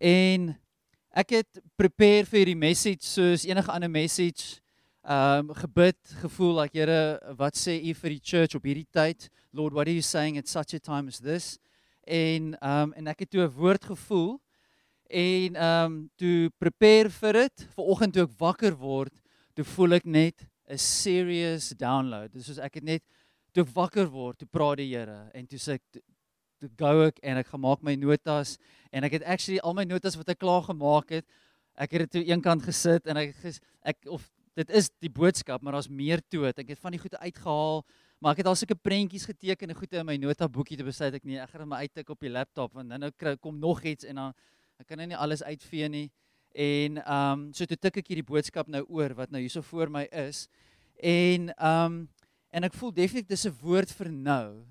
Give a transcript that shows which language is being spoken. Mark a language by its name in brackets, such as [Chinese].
[Afrikaans] En ek het prepare vir hierdie message soos enige ander message, gebid, gevoel like, Here, wat sê u vir die church op hierdie tyd? [English] Lord, what are you saying at such a time as this? [Afrikaans] En ek het toe 'n woord gevoel en toe prepare vir dit, vanoggend toe ek wakker word, toe voel ek net 'n serious download. Dis soos ek het net toe ek wakker word, toe praat die Here en toe sê ek toe gou ek en ek gaan maak my notas en ek het actually al my notas wat ek klaar gemaak het, ek het dit toe een kant gesit en ek of dit is die boodskap, maar daar's meer toe. Ek het van die goede uitgehaal, maar ek het al sulke prentjies geteken en goede in my nota boekie te besluit ek nie, ek gaan dit maar uittik op die laptop want nou kom nog iets en dan ek kan nie alles uitvee nie. En so toe tik ek hierdie boodskap nou oor wat nou hierso voor my is. En ek voel definitief dis 'n woord vir nou.